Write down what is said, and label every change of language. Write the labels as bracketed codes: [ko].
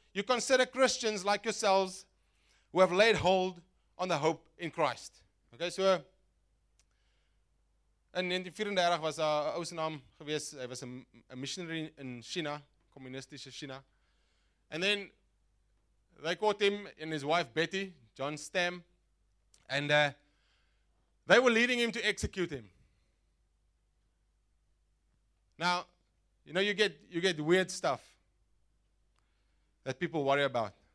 [en] You consider Christians like yourselves who have laid hold on the hope in Christ. [af] Okay, so in 1934 was daar 'n ou se naam gewees. Hy was 'n missionary in China, kommunistiese China. [en] And then they caught him and his wife Betty, John Stamm, and they were leading him to execute him. Now, you know you get weird stuff that people worry about.